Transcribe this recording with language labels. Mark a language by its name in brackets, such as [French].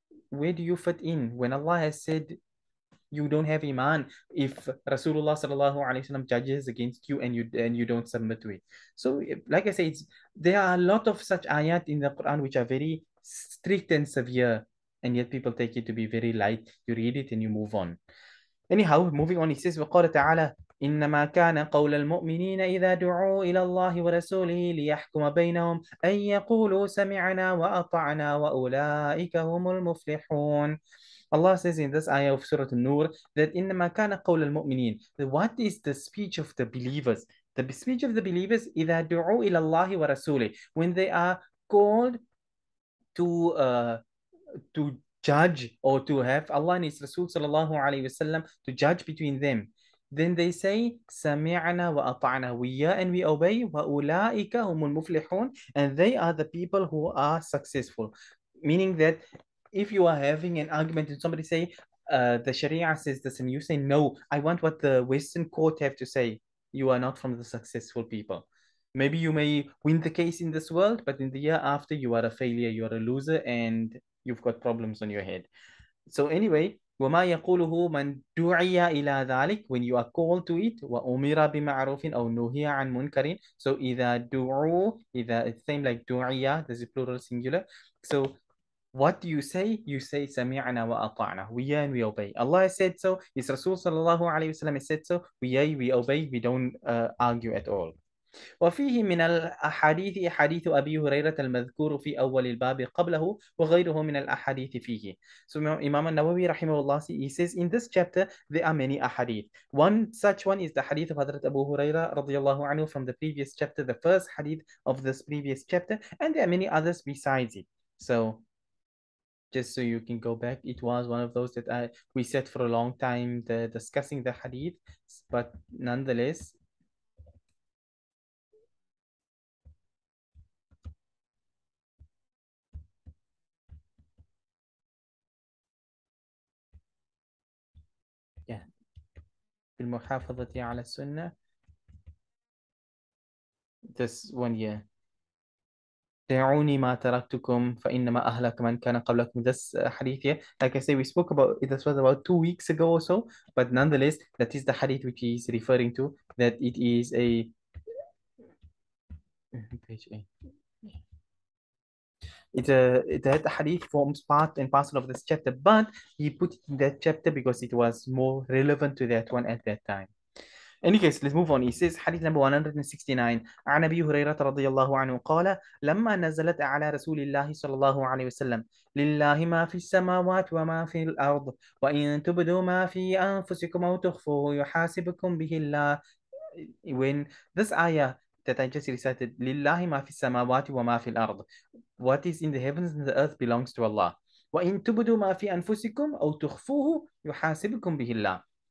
[English] Where do you fit in when Allah has said you don't have iman if Rasulullah sallallahu alaihi wasallam judges against you and you don't submit to it? So, like I said, there are a lot of such ayat in the Quran which are very strict and severe, and yet people take it to be very light. You read it and you move on. Anyhow, moving on, it says, [Arabic] وَقَالَ تَعَالَى إِنَّمَا كَانَ قَوْلَ الْمُؤْمِنِينَ إِذَا دُعُوا إِلَى اللَّهِ وَرَسُولِهِ لِيَحْكُمَ بَيْنَهُمْ أَنْ يَقُولُوا سَمِعْنَا وَأَطَعْنَا وَأُولَٰئِكَ هُمُ الْمُفْلِحُونَ. [English] Allah says in this ayah of Surah An-Nur that [Arabic] إِنَّمَا كَانَ قَوْلَ الْمُؤْمِنِينَ, [English] what is the speech of the believers? The speech of the believers, [Arabic] إِذَا دُعُوا إِلَى اللَّهِ وَرَسُولِهِ, [English] when they are called to judge or to have Allah and His Rasul sallallahu alaihi wasallam to judge between them. Then they say, "Sami'na wa ata'na," we hear and we obey. Wa ulaika humul muflihun, and they are the people who are successful. Meaning that if you are having an argument and somebody say, "The Sharia says this," and you say, "No, I want what the Western court have to say," you are not from the successful people. Maybe you may win the case in this world, but in the year after, you are a failure. You are a loser, and you've got problems on your head. So anyway. [Arabic] وَمَا يَقُولُهُ مَنْ دُعِيَ إِلَىٰ ذَلِكَ, [English] when you are called to it, [Arabic] وَأُمِرَ بِمَعْرُوفٍ أَوْ نُهِيَ عَنْ مُنْكَرٍ. [English] So إِذَا دُعُوا, إِذَا, it's same like دُعِيَ, this is plural singular. So what do you say? You say [Arabic] سَمِعْنَا وَأَطَعْنَا, [English] we hear and we obey. Allah has said so, His Rasul sallallahu alayhi wasallam has said so, we hear, we obey, we don't argue at all. [Arabic] وفيه من الأحاديث أحاديث أبي هريرة المذكور في أول الباب قبله وغيره من الأحاديث فيه. [English] So Imam al-Nawawi rahimahullah, he says in this chapter there are many ahadith. One such one is the hadith of Hadrat Abu Huraira radiyallahu anhu from the previous chapter, the first hadith of this previous chapter, and there are many others besides it. So just so you can go back, it was one of those that we sat for a long time discussing the hadith, but nonetheless, [Arabic] بالمحافظة على السنة. [English] This one year. [Arabic] دعوني ما تركتكم فإنما أهلك من كان قبلكم. [English] This hadith here. Like I say, we spoke about it. This was about 2 weeks ago or so. But nonetheless, that is the hadith which he is referring to. That it is a... Page 8. That hadith forms part and parcel of this chapter, but he put it in that chapter because it was more relevant to that one at that time. Any case, let's move on. He says, حديث number 169. [Arabic] عن أبي هريرة رضي الله عنه قال لما نزلت على رسول الله صلى الله عليه وسلم لله ما في السماوات وما في الأرض وإن تبدوا ما في أنفسكم أو تخفوه يحاسبكم به الله. [English] When this ayah that I just recited, [Arabic] لله ما في السماوات وما في الأرض, [English] what is in the heavens and the earth belongs to Allah. [Arabic] وإن تبدوا ما في أنفسكم أو تخفوه يحاسبكم به الله.